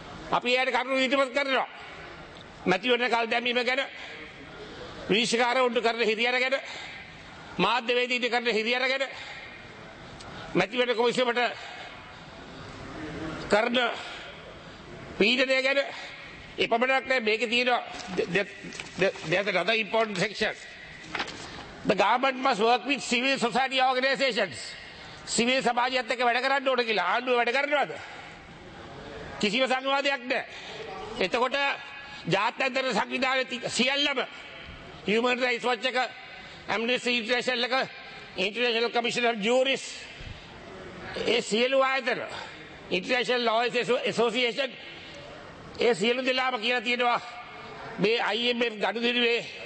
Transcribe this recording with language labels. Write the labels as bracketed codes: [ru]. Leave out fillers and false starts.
[si] අපි ඒකට කරුණු ඉදිරිපත් කරනවා. මැතිවරණ කල් දැමීම ගැන, විනිශ්චයකාර වුණු කරන හිරියර ගැන, මාධ්‍ය වේදිකා කරන හිරියර ගැන, මැතිවරණ කොමිසමට කරන පීඩනය ගැන. එපමණක් නෑ, මේකේ තියෙනවා දෙයක් තව [en] Important section. The government must work with civil society organizations. [si] Civil සමාජයත් එක්ක වැඩ කරන්න ඕන කියලා ආණ්ඩුව වැඩ කරනවාද? කිසිම සංවාදයක් නෑ. එතකොට ජාත්‍යන්තර සංවිධානයේ සියල්ලම Human Rights Watch එක, Amnesty International එක, International Commission of Juries, ඒ සියලු ආයතන, International Law Association, ඒ සියලු දෙලාම කියලා තියෙනවා මේ IMF ගනුදෙනුවේ.